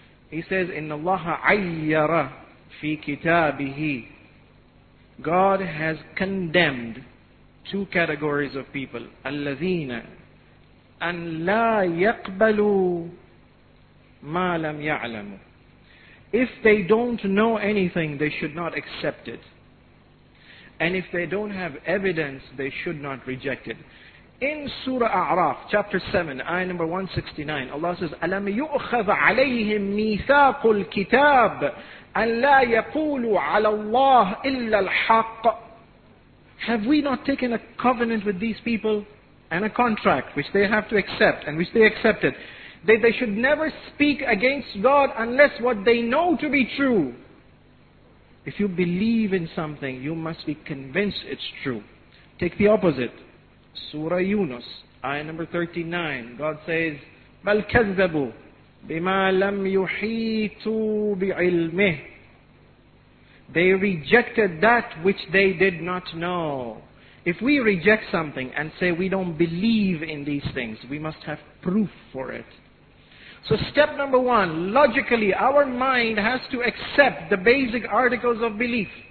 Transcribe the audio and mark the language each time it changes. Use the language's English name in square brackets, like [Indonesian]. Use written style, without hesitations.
[English] He says, [Arabic] إِنَّ اللَّهَ عَيَّرَ فِي كِتَابِهِ. [English] God has condemned two categories of people. [Arabic] الَّذِينَ أَنْ لَا يَقْبَلُوا مَا لَمْ يَعْلَمُوا. [English] If they don't know anything, they should not accept it. And if they don't have evidence, they should not reject it. In Surah A'raf, chapter 7, ayah number 169, Allah says, [Arabic] أَلَمْ يُؤْخَذَ عَلَيْهِمْ مِيثَاقُ الْكِتَابِ أَنْ لَا يَقُولُوا عَلَى اللَّهِ إِلَّا الْحَقِّ. [English] Have we not taken a covenant with these people and a contract which they have to accept and which they accepted? They should never speak against God unless what they know to be true. If you believe in something, you must be convinced it's true. Take the opposite. Surah Yunus, ayah number 39. God says, [Arabic] بَلْ كَذَّبُوا بِمَا لَمْ يُحِيطُوا بِعِلْمِهِ. [English] They rejected that which they did not know. If we reject something and say we don't believe in these things, we must have proof for it. So step number one, logically, our mind has to accept the basic articles of belief.